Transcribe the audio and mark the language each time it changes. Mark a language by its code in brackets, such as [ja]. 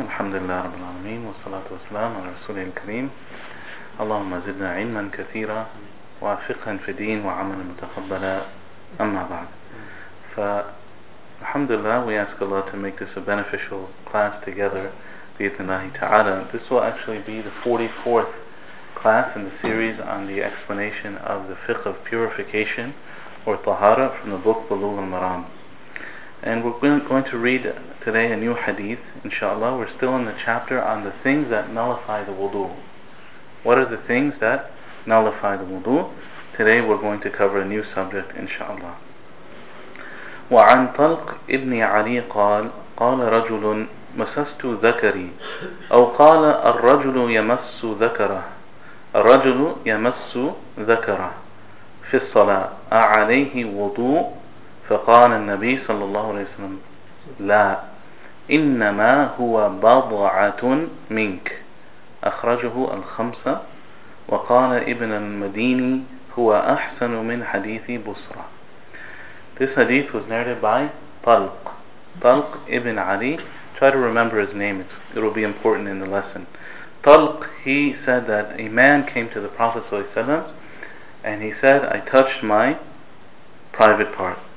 [ar] الحمد لله رب العالمين، والصلاة والسلام على رسوله الكريم. اللهم زدنا علما كثيرا وفقها في دين وعملا متقبلا، أما بعد. [en] فالحمد لله، we ask Allah to make this a beneficial class together بإذن الله تعالى. This will actually be the 44th class in the series on the explanation of the fiqh of purification or tahara from the book Bulugh al-Maram. And we're going to read today a new hadith, inshallah. We're still in the chapter on the things that nullify the wudu. What are the things that nullify the wudu? Today we're going to cover a new subject, inshallah. [ar] وَعَنْ طَلْقِ ابْنِ عَلِي قَالَ رَجُلٌ مَسَسْتُ ذَكَرِي أَوْ قَالَ الرَّجُلُ يَمَسُّ ذَكَرَهُ الرَّجُلُ يَمَسُّ ذَكَرَهُ فِي الصَّلَاةِ أَعَلَيْهِ وُضُوء؟ فقال النبي صلى الله عليه وسلم لا إنما هو بضعة منك أخرجه الخمسة وقال ابن المديني هو أحسن من حديث بصرة. [en] This hadith was narrated by Talq. Talq ibn Ali. Try to remember his name, it will be important in the lesson. Talq, he said that a man came to the Prophet صلى الله عليه وسلم and he said, I touched my private part.